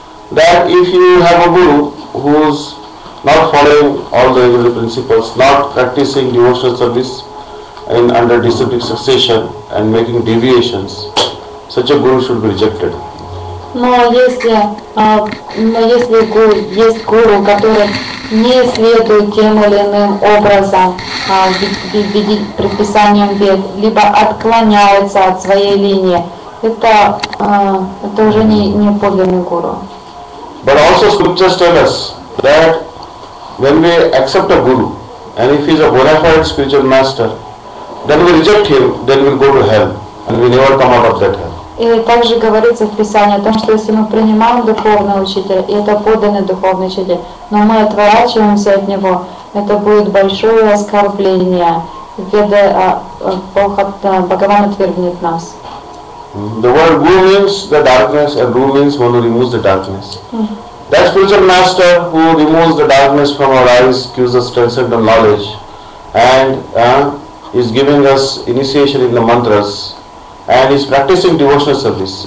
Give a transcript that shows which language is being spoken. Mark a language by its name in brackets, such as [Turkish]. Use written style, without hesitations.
[English] That if you have a guru who is not following all the regular principles, not practicing devotional service in under disciplic succession and making deviations, such a guru should be rejected. [Russian] Но если есть гуру, который не следует тем или иным образом предписанием вед, либо отклоняется от своей линии, это уже не подлинный гуру. [English] But also scriptures tell us that when we accept a guru, and if he is a bona fide spiritual master, then we reject him, then we go to hell, and we never come out of that hell. [Russian] И также говорится в Писании о том, что если мы принимаем духовного учителя, и это подлинный духовный учитель, но мы отворачиваемся от него, это будет большое оскорбление. Веда, Бхагаван отвергнет нас. [English] The word guru means the darkness, and guru means one who removes the darkness. That spiritual master who removes the darkness from our eyes, gives us transcendental knowledge, and is giving us initiation in the mantras, and he is practicing devotional service.